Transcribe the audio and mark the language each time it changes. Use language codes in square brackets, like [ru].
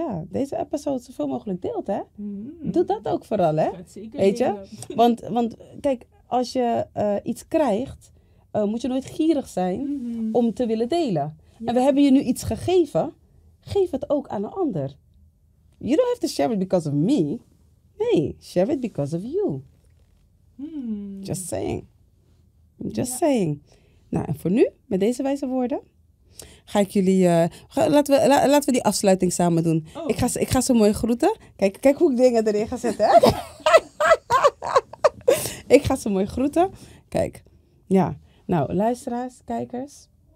[nl] deze episode zoveel mogelijk deelt, hè? Mm-hmm. Doe dat ook vooral, hè? Zeker. Weet je? Want kijk, als je iets krijgt, moet je nooit gierig zijn om te willen delen. Ja. En we hebben je nu iets gegeven, geef het ook aan een ander. [en] You don't have to share it because of me. Nee, share it because of you. Mm. Just saying. Just saying. [nl] Nou, en voor nu, met deze wijze woorden... Ga ik jullie... Laten we die afsluiting samen doen. Oh. Ik ga ze mooi groeten. Kijk hoe ik dingen erin ga zetten. Ik ga ze mooi groeten. Kijk. Ja. Nou, luisteraars, kijkers.